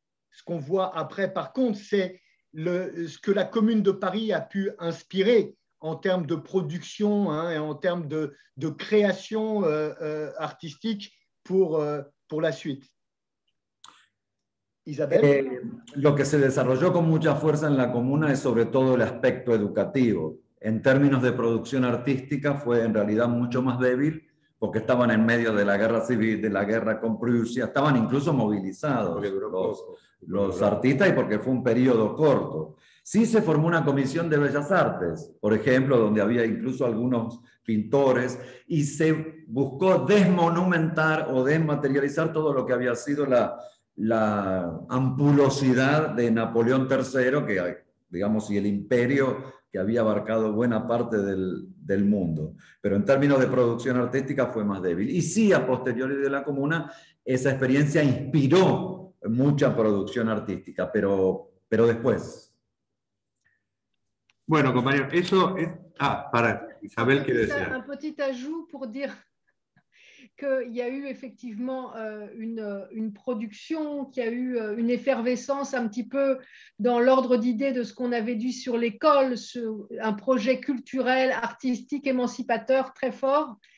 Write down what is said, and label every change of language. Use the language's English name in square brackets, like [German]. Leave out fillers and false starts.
[French] Ce qu'on voit après, par contre, c'est ce que la Commune de Paris a pu inspirer en termes de production et en termes de création artistique pour la suite. Isabelle. [Spanish] Lo que se desarrolló con mucha fuerza en la comuna es sobre todo el aspecto educativo. En términos de producción artística fue en realidad mucho más débil porque estaban en medio de la guerra civil, de la guerra con Prusia, estaban incluso movilizados los artistas y porque fue un periodo corto. Sí se formó una comisión de bellas artes, por ejemplo, donde había incluso algunos pintores y se buscó desmonumentar o desmaterializar todo lo que había sido la ampulosidad de Napoleón III, que digamos, y el imperio que había abarcado buena parte del mundo. Pero en términos de producción artística fue más débil. Y sí, a posteriori de la comuna, esa experiencia inspiró mucha producción artística, pero después. Bueno, compañero, eso es... para Isabel, ¿qué decía? [French] Un petit ajout pour dire qu'il y a eu effectivement une production, qu'il y a eu une effervescence un petit peu dans l'ordre d'idée de ce qu'on avait dit sur l'école, un projet culturel, artistique, émancipateur très fort.